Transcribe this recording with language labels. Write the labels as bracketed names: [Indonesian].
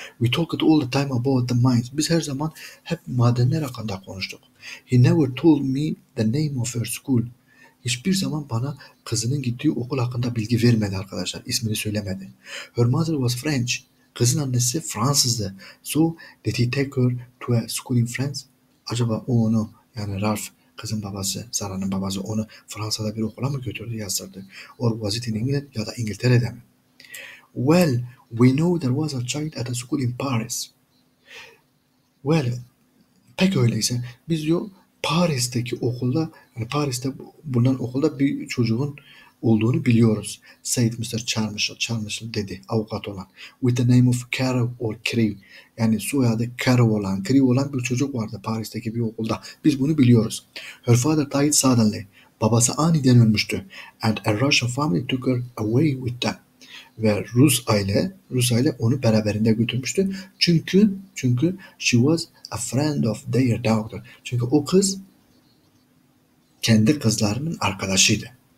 [English] We talked all the time about the mines. [Turkish] Biz her zaman hep madenler hakkında konuştuk. [English] He never told me the name of her school. [Turkish] Hiçbir zaman bana kızının gittiği okul hakkında bilgi vermedi arkadaşlar. İsmini söylemedi. [English] Her mother was French. [Turkish] Kızın annesi Fransızdı. [English] So did he take her to a school in France? [Turkish] Acaba o onu yani Ralph kızın babası, Sara'nın babası onu Fransa'da bir okula mı götürdü, yazdırdı? [English] Or was it in England [Turkish] ya da İngiltere'de mi? [English] Well, we know there was a child at a school in Paris. [Turkish] Well, pek öyleyse biz diyor Paris'teki okulda, yani Paris'te bulunan okulda bir çocuğun olduğunu biliyoruz. Said Mr. Charmishel dedi avukat olan. [English] With the name of Carew or Crewe. [Turkish] Yani soyadı Carew olan, Crewe olan bir çocuk vardı Paris'teki bir okulda. Biz bunu biliyoruz. [English] Her father died suddenly. [Turkish] Babası aniden ölmüştü. [English] And a Russian family took her away with them. [Turkish] Ve Rus aile onu beraberinde götürmüştü. Çünkü [English] she was a friend of their daughter. [Turkish] Çünkü o kız kendi kızlarının arkadaşıydı.